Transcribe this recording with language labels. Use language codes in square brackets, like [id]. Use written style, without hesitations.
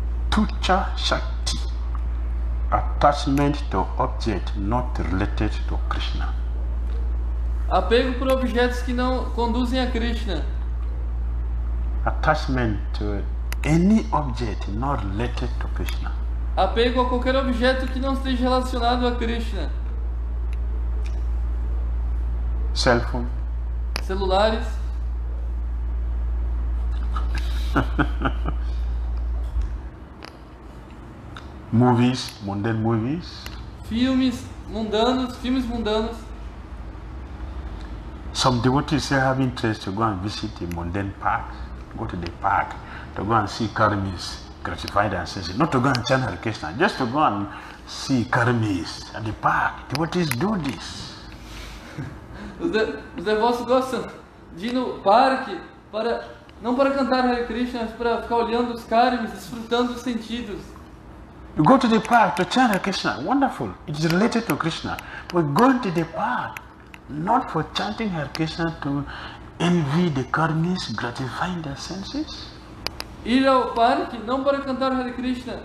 [en] Tucha Shakti, attachment to object not related to Krishna. [pt] Apego por objetos que não conduzem a Krishna. [en] Attachment to any object not related to Krishna. [pt] Apego a qualquer objeto que não esteja relacionado a Krishna. [en] cell phone. [pt] Celulares. [en] Movies, mundane movies. [pt] Filmes mundanos. [en] Some devotees say have interest to go and visit the mundane park, go to the park, to go and see karmis, gratify their senses. Not to go and chant Hare Krishna, just to go and see karmis at the park. Devotees do this. [pt] Os devotos gostam de ir no parque para não para cantar Hare Krishna, mas para ficar olhando os karmis, desfrutando os sentidos. [en] You go to the park to chant Hare Krishna, wonderful. It is related to Krishna. But going to the park, not for chanting Hare Krishna, to envy the karmis, gratifying their senses. [pt] Ir ao parque não para cantar Hare Krishna.